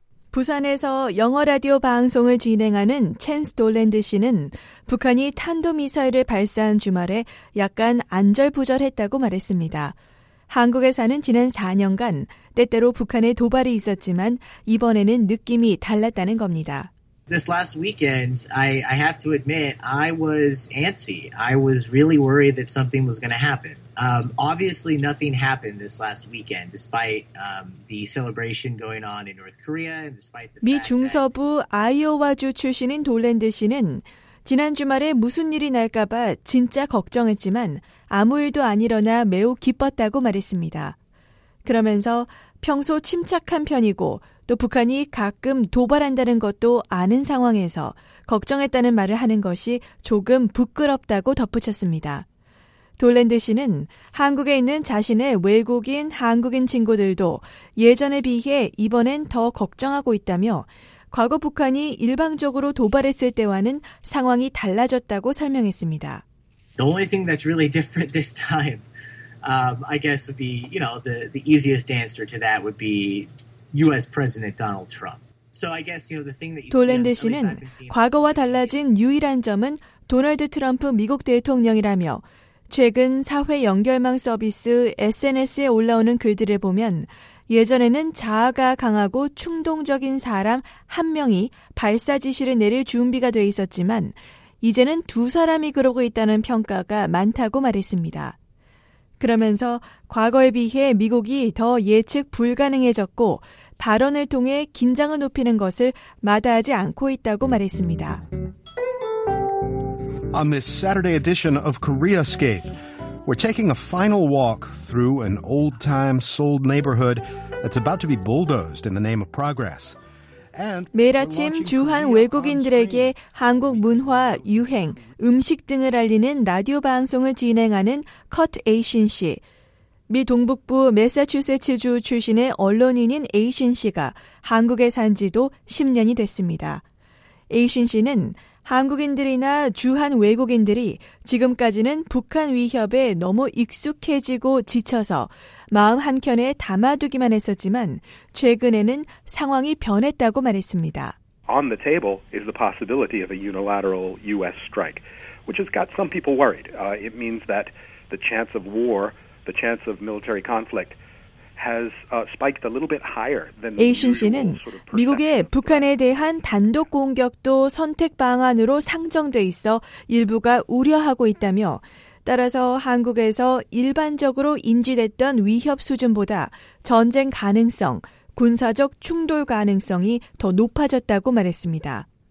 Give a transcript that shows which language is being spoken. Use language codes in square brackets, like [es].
[ko] 부산에서 영어라디오 방송을 진행하는 첸스 돌랜드 씨는 북한이 탄도미사일을 발사한 주말에 약간 안절부절했다고 말했습니다. 한국에 사는 지난 4년간 때때로 북한의 도발이 있었지만 이번에는 느낌이 달랐다는 겁니다. [en] This last weekend, I have to admit, I was antsy. I was really worried that something was going to happen. Obviously, nothing happened this last weekend, despite the celebration going on in North Korea, and despite the [ko] 미 중서부 아이오와주 출신인 돌랜드 씨는 지난 주말에 무슨 일이 날까봐 진짜 걱정했지만 아무 일도 안 일어나 매우 기뻤다고 말했습니다. 그러면서 평소 침착한 편이고 또 북한이 가끔 도발한다는 것도 아는 상황에서 걱정했다는 말을 하는 것이 조금 부끄럽다고 덧붙였습니다. 돌랜드 씨는 한국에 있는 자신의 외국인 한국인 친구들도 예전에 비해 이번엔 더 걱정하고 있다며 과거 북한이 일방적으로 도발했을 때와는 상황이 달라졌다고 설명했습니다. [en] The only thing that's really different this time, I guess, would be, you know, the easiest answer to that would be U.S. President Donald Trump. So I guess, you know, the thing that you see. [ko] 돌랜드 씨는 과거와 달라진 유일한 점은 도널드 트럼프 미국 대통령이라며, 최근 사회 연결망 서비스 SNS에 올라오는 글들을 보면 예전에는 자아가 강하고 충동적인 사람 한 명이 발사 지시를 내릴 준비가 돼 있었지만 이제는 두 사람이 그러고 있다는 평가가 많다고 말했습니다. 그러면서 과거에 비해 미국이 더 예측 불가능해졌고 발언을 통해 긴장을 높이는 것을 마다하지 않고 있다고 말했습니다. [en] On this Saturday edition of KoreaScape, we're taking a final walk through an old-time Seoul neighborhood that's about to be bulldozed in the name of progress. And [ko] 매일 아침 주한 외국인들에게 한국 문화, 유행, 음식 등을 알리는 라디오 방송을 진행하는 Kurt Asian 씨. 미 동북부 매사추세츠주 출신의 언론인인 Asian 씨가 한국에 산 지도 10년이 됐습니다. Asian 씨는 한국인들이나 주한 외국인들이 지금까지는 북한 위협에 너무 익숙해지고 지쳐서 마음 한켠에 담아두기만 했었지만 최근에는 상황이 변했다고 말했습니다. [en] On the table is the possibility of a unilateral U.S. strike, which has got some people worried. It means that the chance of war, the chance of military conflict has spiked a little bit higher than the [ko] Asian 씨는 미국의 북한에 대한 단독 공격도 선택 방안으로 상정돼 있어 일부가 우려하고 있다며 따라서 한국에서 일반적으로 인지됐던 위협 수준보다 전쟁 가능성, 군사적 충돌 가능성이 더 높아졌다고 말했습니다.